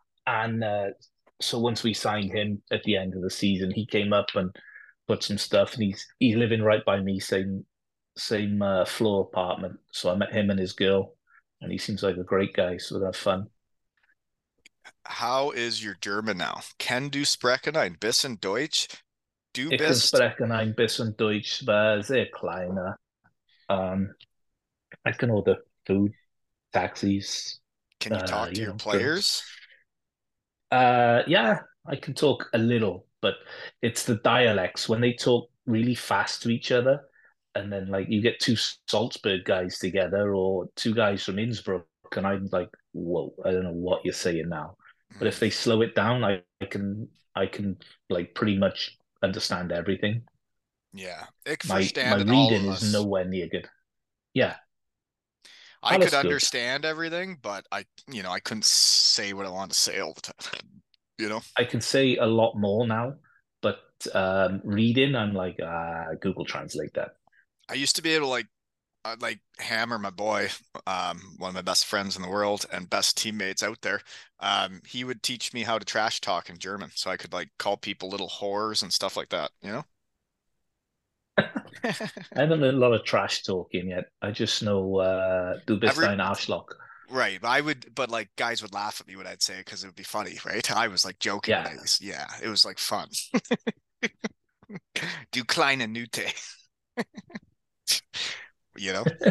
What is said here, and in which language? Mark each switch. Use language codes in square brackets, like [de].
[en] And so once we signed him at the end of the season, he came up and put some stuff, and he's living right by me, same floor apartment. So I met him and his girl, and he seems like a great guy, so we're gonna have fun. How is your German now? [de] Can du sprechen ein bisschen Deutsch? Du bist... Ich kann sprechen ein bisschen Deutsch, aber sehr kleiner. [en] I can order food, taxis. Can you talk to your players? Yeah, I can talk a little, but it's the dialects. When they talk really fast to each other, and then like you get two Salzburg guys together or two guys from Innsbruck, and I'm like, whoa, I don't know what you're saying now. But if they slow it down, I can like pretty much understand everything. Yeah. My reading is nowhere near good. Yeah. I could understand everything, but I couldn't say what I wanted to say all the time. You know? I can say a lot more now, but reading, I'm like, Google Translate that. I used to be able to like Hammer, my boy, one of my best friends in the world and best teammates out there, he would teach me how to trash talk in German so I could like call people little whores and stuff like that, you know? I haven't learned a lot of trash talking yet. I just know [de] du bist ein Arschloch. [en] Right. But like guys would laugh at me when I'd say it because it would be funny, right? I was like joking. Yeah. It was like fun. [de] Du kleine Nute. [en] You know.